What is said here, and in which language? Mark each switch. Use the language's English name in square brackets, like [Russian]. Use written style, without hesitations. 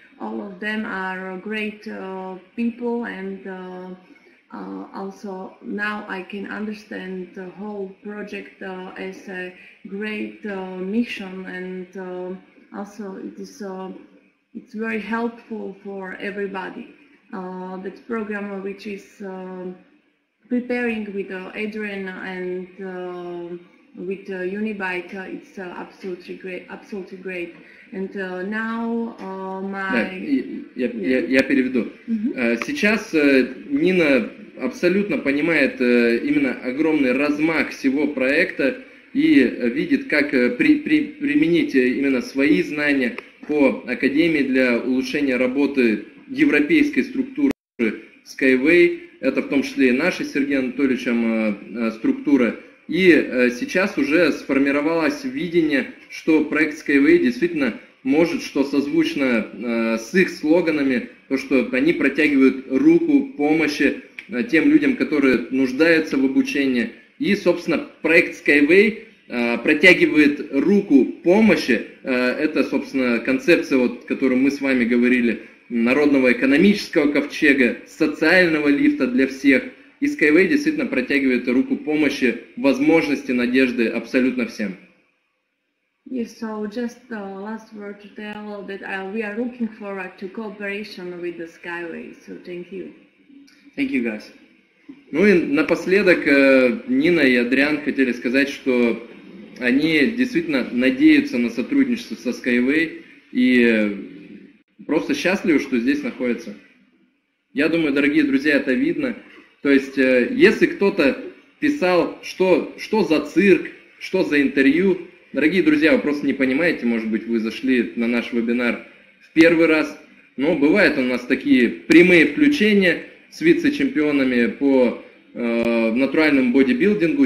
[English] All of them are great people, and also now I can understand the whole project as a great mission, and also it's very helpful for everybody. That program which is preparing with Adrian and with Unibike, it's absolutely great. And now [Russian] Я переведу. Сейчас Нина абсолютно понимает именно огромный размах всего проекта и видит, как применить именно свои знания по Академии для улучшения работы европейской структуры Skyway. Это в том числе и наша, Сергей Анатольевич, структура. И сейчас уже сформировалось видение, что проект Skyway действительно может, что созвучно с их слоганами, то, что они протягивают руку помощи тем людям, которые нуждаются в обучении. И, собственно, проект Skyway протягивает руку помощи, это, собственно, концепция, вот, о которой мы с вами говорили, народного экономического ковчега, социального лифта для всех. И Skyway действительно протягивает руку помощи, возможности, надежды абсолютно всем. [English] Yes, so just the last word to tell that we are looking forward to cooperation with the Skyway, so thank you. Thank you, guys. [Russian] Ну и напоследок Нина и Адриан хотели сказать, что они действительно надеются на сотрудничество со Skyway и просто счастливы, что здесь находятся. Я думаю, дорогие друзья, это видно. То есть, если кто-то писал, что за цирк, что за интервью, дорогие друзья, вы просто не понимаете, может быть, вы зашли на наш вебинар в первый раз, но бывают у нас такие прямые включения с вице-чемпионами по натуральному бодибилдингу.